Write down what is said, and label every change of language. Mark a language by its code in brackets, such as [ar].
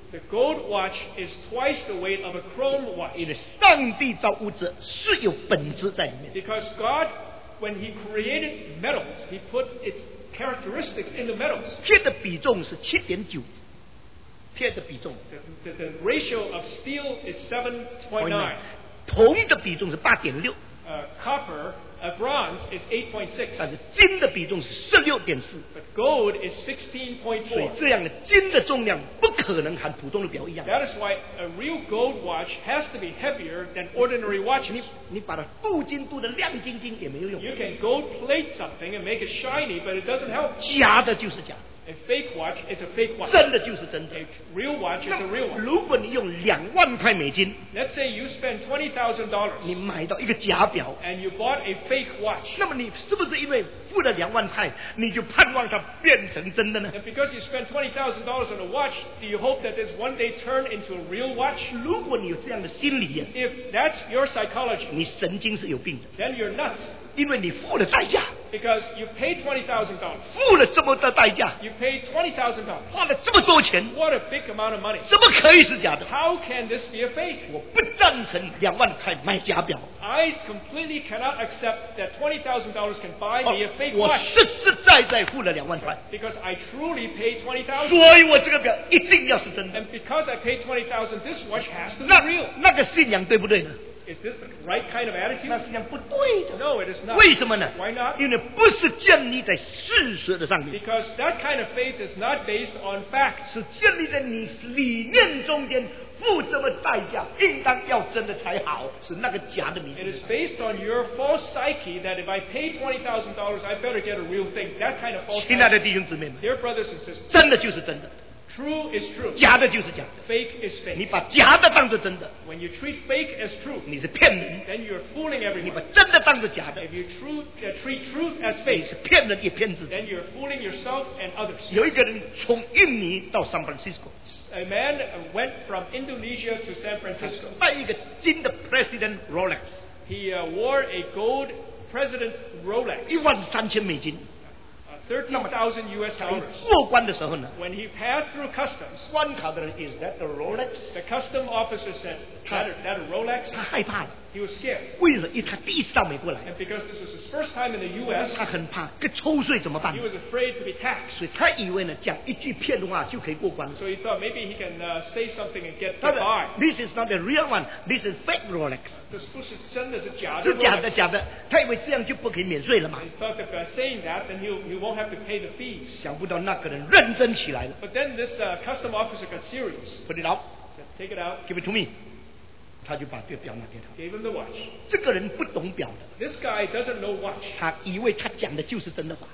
[en] The gold watch is twice the weight of a chrome watch. [zh] 因为上帝造物质是有本质在里面。 [en] Because God, when he created metals, he put its characteristics in the metals. [zh] 铁的比重是 7.9。铁的比重。 [en] The ratio of steel is 7.9。 [zh] 铜的比重是 8.6 [en] copper, bronze is 8.6 [zh] 但是金的比重是 16.4 [en] but gold is 16.4 [zh] 所以这样的金的重量不可能和普通的表一样 [en] that is why a real gold watch has to be heavier than ordinary watches [zh] 你把它镀金镀得亮晶晶也没有用 [en] you can gold plate something and make it shiny but it doesn't help [zh] 假的就是假的 [en] A fake watch is a fake watch. [zh] 真的就是真的。 [en] A real watch is a real watch. [zh] 如果你用$20,000 [en] Let's say you spend $20,000. [zh] 你买到一个假表。 [en] And you bought a fake watch. [zh] 那么你是不是因为付了$20,000，你就盼望它变成真的呢？ [en] And because you spend $20,000 on a watch, do you hope that this one day turn into a real watch? [zh] 如果你有这样的心理啊。 [en] If that's your psychology. [zh] 你神经是有病的。 [en] Then you're nuts. [zh] 因为你付了代价 [en] Because you paid $20,000 [zh] 付了这么多代价 [en] You paid $20,000 [zh] 花了这么多钱 [en] What a big amount of money [zh] 怎么可以是假的 [en] How can this be a fake [zh] 我不赞成$20,000买假表 [en] I completely cannot accept that $20,000 can buy me a fake watch [zh] 我实实在在付了$20,000 [en] Because I truly paid $20,000 [zh] 所以我这个表一定要是真的 [en] And because I paid $20,000 this watch has to be real [zh] 那个信仰对不对呢 [en] Is this the right kind of attitude? [zh] 那实际上不对的。 [en] No, it is not. [zh] 为什么呢 [en] ？Why not? [zh] 因为不是建立在事实的上面。 [en] Because that kind of faith is not based on facts. [zh] 是建立在你理念中间，付这么代价，应当要真的才好，是那个假的迷信。 [en] It is based on your false psyche that if I pay $20,000, I better get a real thing. That kind of false. [zh] 亲爱的弟兄姊妹们 [en] ，Dear brothers and sisters， [zh] 真的就是真的。 [en] True is true. [zh] 假的就是假的。 [en] Fake is fake. [zh] 你把假的当作真的。 [en] When you treat fake as truth, [zh] 你是骗人。 [en] Then you're fooling everyone. [zh] 你把真的当作假的。 [en] If you treat truth as fake, [zh] 你是骗人也骗自己。 [en] Then you're fooling yourself and others. [zh] 有一个人从印尼到 San Francisco. [en] A man went from Indonesia to San Francisco. [zh] 带一个金的 President Rolex. [en] He wore a gold President Rolex. [zh] 13,000美金。 [en] 13,000 US dollars. [zh] 过关的时候呢, [en] when he passed through customs, [zh] 关卡的人, [en] is that the Rolex? The custom officer said, that a Rolex? [zh] 他害怕, [en] he was scared. [zh] 为了他第一次到美国来, [en] and because this was his first time in the US, [zh] 他很怕, 抽税怎么办? [en] He was afraid to be taxed. [zh] 所以他以为呢, 讲一句骗话就可以过关, [en] so he thought maybe he can say something and get the bar. This is not the real one. This is fake Rolex. [zh] 这是真的是假的, 是假的, 他以为这样就不可以免税了吗? [en] He thought that by saying that, then he won't have to pay the fees. [zh] 想不到那个人认真起来了, [en] but then this custom officer got serious. Put it out. Said, take it out. Give it to me. [zh] 他就把这个表拿给他, [en] gave him the watch. [zh] 这个人不懂表的, [en] this guy doesn't know watch. [zh] 他以为他讲的就是真的吧,